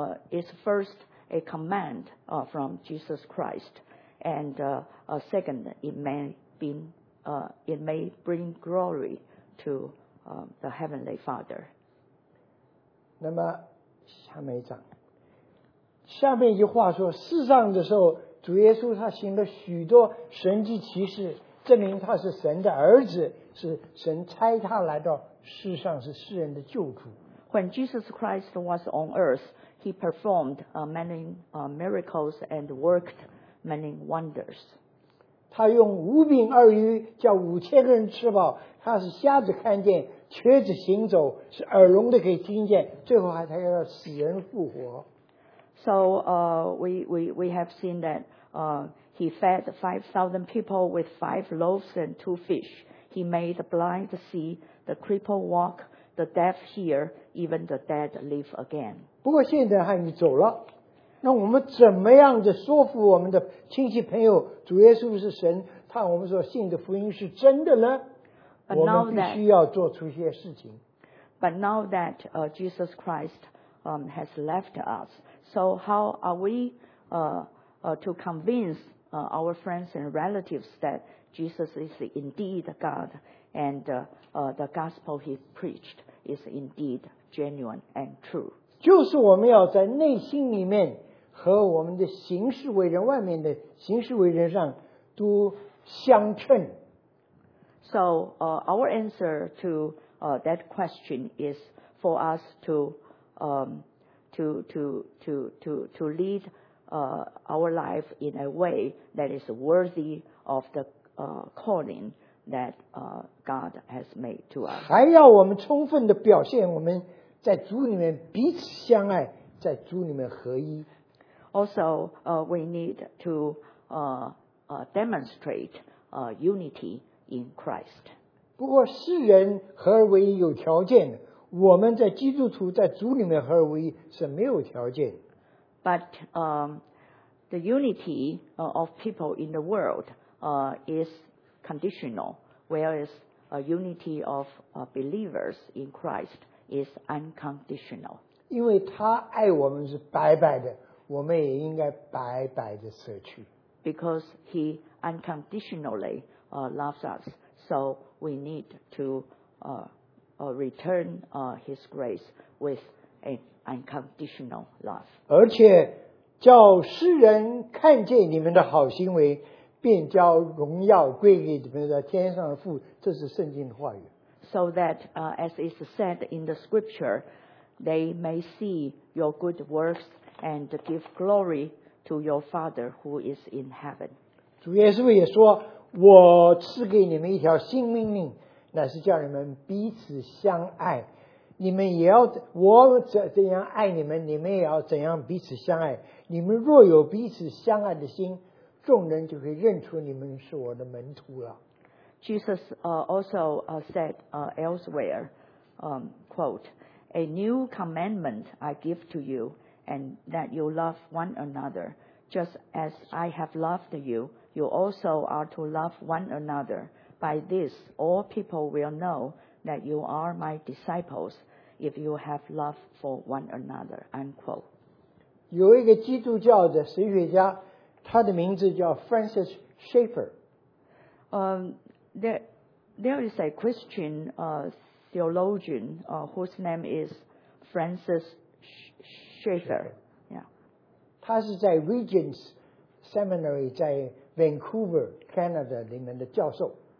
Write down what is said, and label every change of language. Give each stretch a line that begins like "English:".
English: Is first a command from Jesus Christ, and second, it may bring glory to the Heavenly Father.
Chinese: 那么下面一章，下面一句话说，世上的时候，主耶稣他行了许多神迹奇事，证明他是神的儿子，是神差他来到世上，是世人的救主。
English: When Jesus Christ was on earth, he performed many miracles and worked many wonders.
Chinese: 他用五饼二鱼叫五千个人吃饱，他是瞎子看见，瘸子行走，是耳聋的可以听见，最后还他要让死人复活。
English: So we have seen that he fed 5,000 people with 5 loaves and 2 fish. He made the blind see, the crippled walk. The deaf hear, even the dead live again.
Chinese: 不过现在他已经走了，那我们怎么样的说服我们的亲戚朋友，主耶稣是神，他我们所信的福音是真的呢？我们必须要做出一些事情。
English: But now that Jesus Christ has left us, so how are we to convince our friends and relatives that Jesus is indeed God? And the gospel he preached is indeed genuine and true.
Chinese: 就是我们要在内心里面和我们的行事为人，外面的行事为人上都相称。
English: So our answer to that question is for us to lead our life in a way that is worthy of the calling that God has made to us.
Chinese: 还要我们充分的表现我们在主里面彼此相爱，在主里面合一。
English: Also, we need to demonstrate unity in Christ.
Chinese: 不过世人合而为一有条件，我们在基督徒在主里面合而为一是没有条件。
English: But the unity of people in the world is conditional, whereas a unity of believers in Christ is unconditional.
Chinese: 因为他爱我们是白白的，我们也应该白白的舍去。
English: Because he unconditionally loves us, so we need to return his grace with an unconditional love.
Chinese: 而且叫世人看见你们的好行为，便叫荣耀归给你们的天上的父。这是圣经的话语。
English: So that, as is said in the scripture, they may see your good works and give glory to your Father who is in heaven.
Chinese: 主耶稣也说，我赐给你们一条新命令，乃是叫你们彼此相爱。你们也要，我怎样爱你们，你们也要怎样彼此相爱。你们若有彼此相爱的心，众人就会认出你们是我的门徒了。
English: Jesus also said elsewhere, quote, "A new commandment I give to you, and that you love one another. Just as I have loved you, you also are to love one another. By this, all people will know that you are my disciples, if you have love for one another." Unquote.
Chinese: 有一个基督教的神学家，他的名字叫 Francis Schaeffer.
English: There is a Christian theologian whose name is Francis Schaeffer. Yeah.
Chinese: 他是在 Regent's Seminary 在 Vancouver, Canada 里面的教授。